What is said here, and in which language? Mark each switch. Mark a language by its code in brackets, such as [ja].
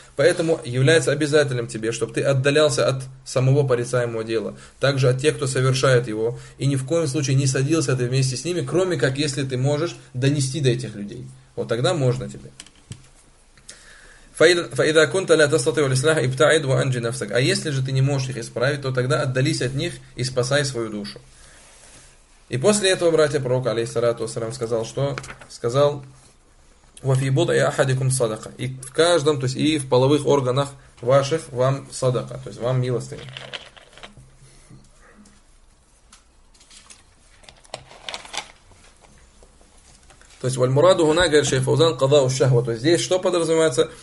[ru] Поэтому является обязательным тебе, чтобы ты отдалялся от самого порицаемого дела, также от тех, кто совершает его, и ни в коем случае не садился ты вместе с ними, кроме как если ты можешь донести до этих людей. Вот тогда можно тебе. [ar] فَإِذَا كُنْتَ لَا تَسْتَطِيعُ الْإِسْلَامَ ابْتَعِدْ وَأَنْجِ نَفْسَكَ. [ru] А если же ты не можешь их исправить, то тогда отдались от них и спасай свою душу. И после этого братья пророк, алейхиссалату ассалям, сказал, что? Сказал, [ar] وَفِي بُضْعِ أَحَدِكُمْ صَدَقَ. [ru] И в каждом, то есть и в половых органах ваших вам садака, то есть вам милостыня. То есть, [ar] وَالْمُرَادُ هُنَا, [ru] говорит шейх Фаузан, [ar] قَضَاءُ الشَّهْوَةِ. [ru] То есть, здесь что подразумевается?